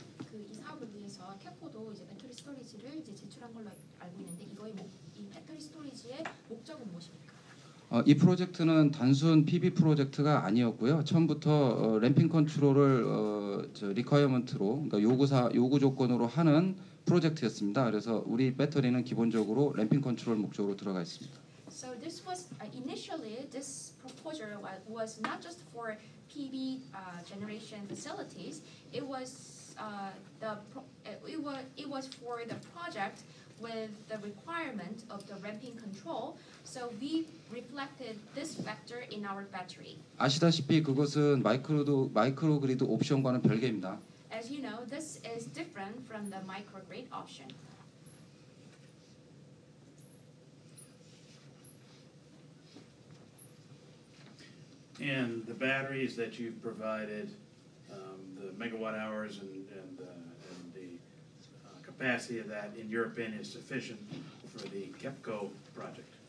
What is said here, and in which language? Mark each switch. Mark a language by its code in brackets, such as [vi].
[ko] 그 이 사업을 위해서 KEPCO도 이제 배터리 스토리지를 이제 제출한 걸로 알고 있는데 이거의 이 배터리 스토리지의 목적은 무엇입니까? 이 프로젝트는 단순 PV 프로젝트가 아니었고요. 처음부터 램핑 컨트롤을 리퀘어먼트로 그러니까 요구 조건으로 하는 프로젝트였습니다. 그래서 우리 배터리는 기본적으로 램핑 컨트롤 목적으로 들어가 있습니다. [en] So this was initially this proposal was not just for PV generation facilities. It was it was for the project with the requirement of the ramping control. So we reflected this factor in our battery. [ko] 아시다시피 그것은 마이크로그리드 옵션과는 별개입니다. [en] As you know, this is different from the microgrid option. And the batteries that you've provided, the megawatt hours and the capacity of that, in your opinion, is sufficient for the KEPCO project?